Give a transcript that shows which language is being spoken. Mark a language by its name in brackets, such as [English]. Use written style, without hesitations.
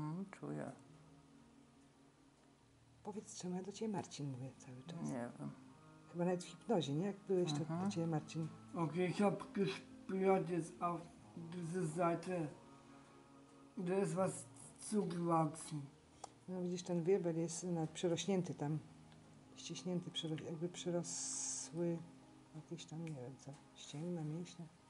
[Polish] Czuję. Powiedz, czemu ja do ciebie Marcin mówię cały czas. Nie wiem. Chyba nawet w hipnozie, nie? Jak byłeś, to do ciebie Marcin. [German] Okej, okay, ich hab gespürt jetzt auf dieser Seite. Da ist was zugewachsen. [Polish] No widzisz, ten wirbel jest nawet przerośnięty tam. Ściśnięty, jakby przerosły jakieś tam, nie wiem co, ścięgna, mięśnie.